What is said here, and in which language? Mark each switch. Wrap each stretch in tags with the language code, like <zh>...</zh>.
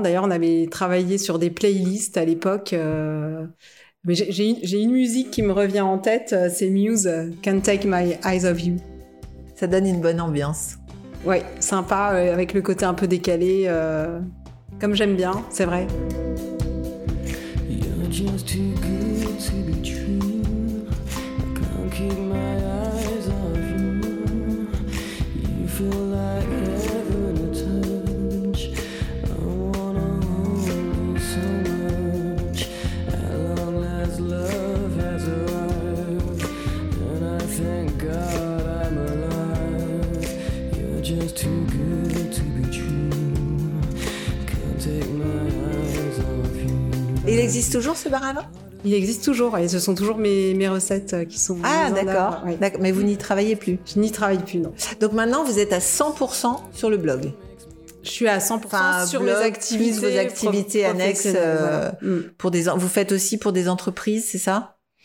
<fr>D'ailleurs, on avait travaillé sur des playlists à l'époque. Mais j'ai une musique qui me revient en tête, c'est Muse, Can't Take My Eyes Off You. Ça donne une bonne ambiance. Oui, sympa, avec le côté un peu décalé, comme j'aime bien, c'est vrai.</fr> <en>You're just too good to be true. Can't keep my eyes off you. You feel like heaven to touch. I wanna hold you so much. As long as love has arrived. And I thank God I'm alive. You're just too good to be true. Can't take my eyes off you.</en> <fr>Il existe toujours ce bar à vin? Il existe toujours et ce sont toujours mes recettes qui sont mises en œuvre. Ah d'accord. Oui. D'accord, mais vous n'y travaillez plus? Je n'y travaille plus, non. Donc maintenant, vous êtes à 100% sur le blog? Je suis à 100% sur blog, mes activités. Plus vos activités annexes, vous faites aussi pour des entreprises, c'est ça?</fr>